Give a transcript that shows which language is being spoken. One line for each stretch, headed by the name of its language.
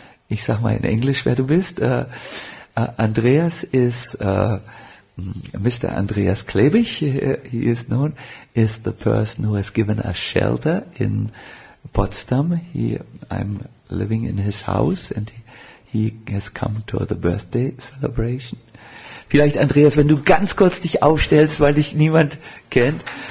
German: Ich sag mal in Englisch, wer du bist. Andreas ist Mr. Andreas Klebig.
English: He is known is the person who has given us shelter in Potsdam. I'm living in his house and he has come to the birthday celebration.
German: Vielleicht, Andreas, wenn du ganz kurz dich aufstellst, weil dich niemand kennt.